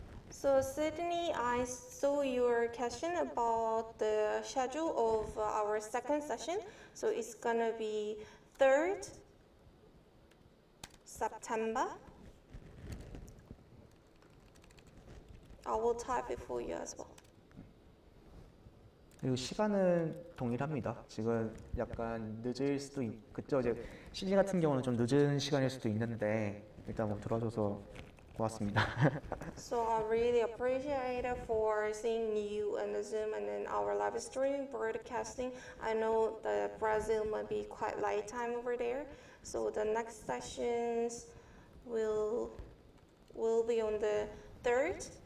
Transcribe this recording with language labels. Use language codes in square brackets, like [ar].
[en] So Sydney, I saw your question about the schedule of our second session. So it's gonna be 3rd September. I will type it for you as well. [ko] 그리고 시간은 동일합니다. 지금 약간 늦을 수도 그쵸? 이제 시즌 같은 경우는 좀 늦은 시간일 수도 있는데 일단 뭐 들어줘서 고맙습니다. [en] So I really appreciate it for seeing you on the Zoom and in our live stream broadcasting. I know the Brazil might be quite late time over there. So the next sessions will be on the 3rd.